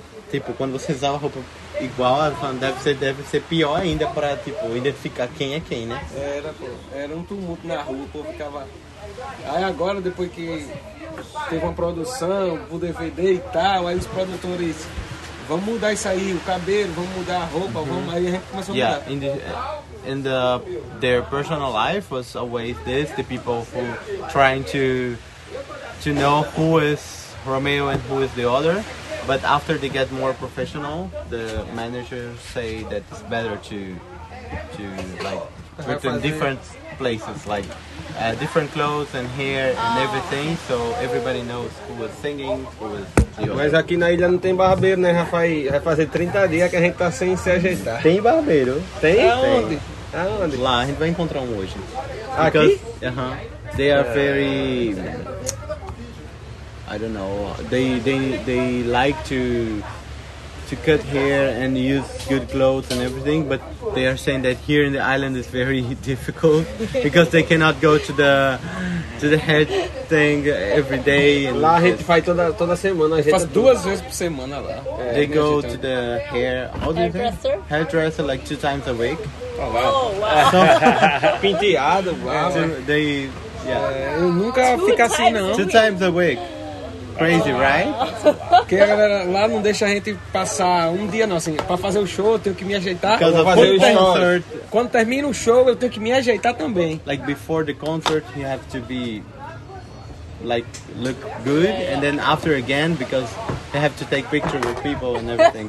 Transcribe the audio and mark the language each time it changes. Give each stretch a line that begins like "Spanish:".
Portuguese: Tipo, quando você usa a roupa igual, deve ser pior ainda pra, tipo, identificar quem é quem, né? Era, pô. Era um tumulto na rua, o povo ficava... Aí agora, depois que teve uma produção, o DVD e tal, aí os produtores... Vamos mudar isso aí, o cabelo, vamos mudar a roupa, uhum. Aí a gente começou a mudar.
English: Yeah, their personal life was always this, the people who trying to know who is Romeo and who is the other. But after they get more professional, the managers say that it's better to like put them different places, like different clothes and hair and everything, so everybody knows who was singing, who was the other.
Portuguese: Mas aqui na ilha não tem barbeiro, né, Rafael? Vai fazer 30 dias que a gente tá sem se ajeitar. Tem barbeiro? Tem? Aonde? Aonde? Lá, a gente vai encontrar um hoje. Aqui?
English: Uh-huh. They are very... I don't know. They like to cut hair and use good clothes and everything, but they are saying that here in the island is very difficult because they cannot go to the head thing every day.
Portuguese: Lá a gente faz toda semana. Faz duas vezes por semana lá.
English: They go to the hair. How do you think? Hairdresser like two times a week. Oh wow!
Portuguese: Penteado, wow!
English: They yeah.
Portuguese: Eu nunca fico assim não.
English: Two times a week. Crazy, right?
Portuguese: Porque a galera lá não deixa a gente passar um dia não, assim, pra fazer o show eu tenho que me ajeitar.
English: Because of the concert.
Portuguese: Quando termina o show eu tenho que me ajeitar também.
English: Like before the concert you have to be like look good and then after again because they have to take picture with people and everything.